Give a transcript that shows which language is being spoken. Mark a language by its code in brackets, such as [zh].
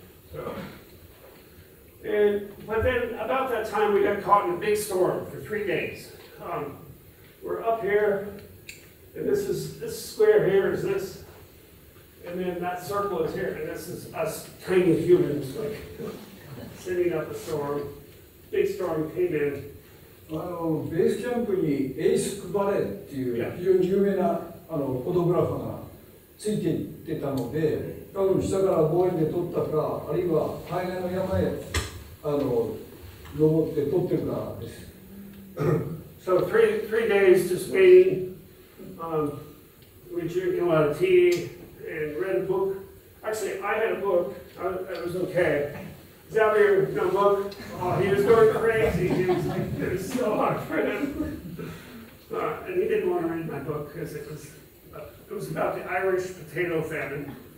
[en] So, and, but then about that time, we got caught in a big storm for 3 days. We're up here, and this is, this square here is this, and then that circle is here, and this is us tiny humans, like, sitting up a storm. Big storm came in. [ja] あのベースキャンプにエイスクバレーっていう非常に有名なあのフォトグラファーがついていってたので、多分下から望遠で撮ったか、あるいは海岸の山へあの登って撮ってるかです。 [en] So three days to Spain. We drink a lot of tea and read a book. Actually, I had a book. It was okay. Xavier, no book. Oh, he was going crazy. He was like, it was so hard for him. And he didn't want to read my book because it was about the Irish potato famine.